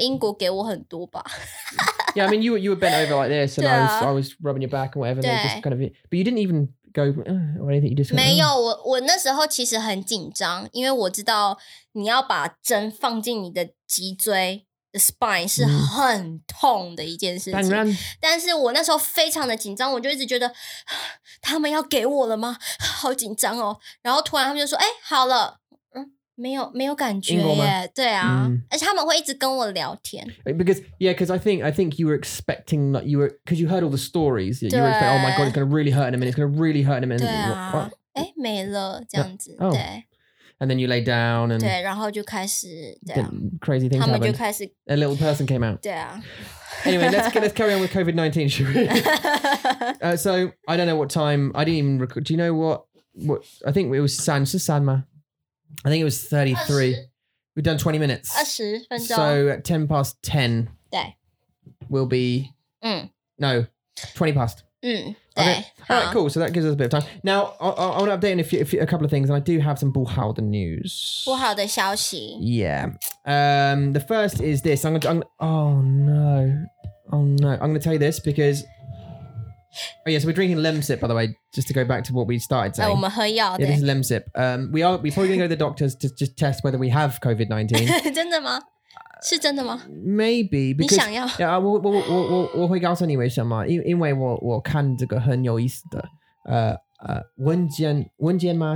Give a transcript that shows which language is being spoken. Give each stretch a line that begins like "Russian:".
Chinese: 对，应该是不够。对啊，可能英国给我很多吧。Yeah,
English: I mean, you were bent over like this, and I was rubbing your back and whatever. They just kind of, but you didn't even. Go or anything you just
Chinese: 没有，我那时候其实很紧张，因为我知道你要把针放进你的脊椎 spine 是很痛的一件事情，当然，但是我那时候非常的紧张，我就一直觉得他们要给我了吗？好紧张哦！然后突然他们就说：“哎，好了，没有感觉耶。” 对啊，而且他们会一直跟我聊天。
English: Because yeah, because I think you were expecting that you were because you heard all the stories. You were expecting, oh my god, it's going to really hurt in a minute. It's going to really hurt in a minute.
Chinese: 对啊，哎，没了这样子，对。
English: And then you lay down and...
Chinese: 对，然后就开始，对啊。
English: Crazy things happened.
Chinese: 他们就开始...
English: A little person came out.
Chinese: 对啊。
English: Anyway, let's carry on with COVID-19, shall we? So, I don't know what time... I didn't even record... Do you know what... I think it was San... Is this Sanma? I think it was 33. We've done 20 minutes.
Chinese: 20分钟.
English: So, at 10 past 10...
Chinese: 对.
English: We'll be... No, 20 past.
Chinese: 嗯，对。
English: Alright, cool. So that gives us a bit of time. Now, I want to update on a couple of things, and I do have some
Chinese: 不好的
English: news.
Chinese: 不好的消息.
English: Yeah. The first is this. Oh no. I'm going to tell you this because. Oh yeah, so we're drinking lemon sip, by the way. Just to go back to what we started saying.
Chinese: 我们喝药。
English: Yeah, this is lemon sip. We're probably going to go to the doctors to just test whether we have COVID-19.
Chinese: 真的吗？是真的吗?
English: Maybe because
Chinese: 你想要? Yeah, 我会告诉你为什么，因为我看这个很有意思的文件吗？